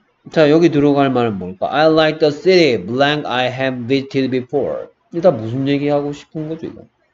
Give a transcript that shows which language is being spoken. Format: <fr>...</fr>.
<ko>자, 여기 들어갈 말은 뭘까?</ko> <en>I like the city, blank I have visited before.</en> <ko>이게 다 무슨 얘기하고 싶은 거죠, 이거?</ko>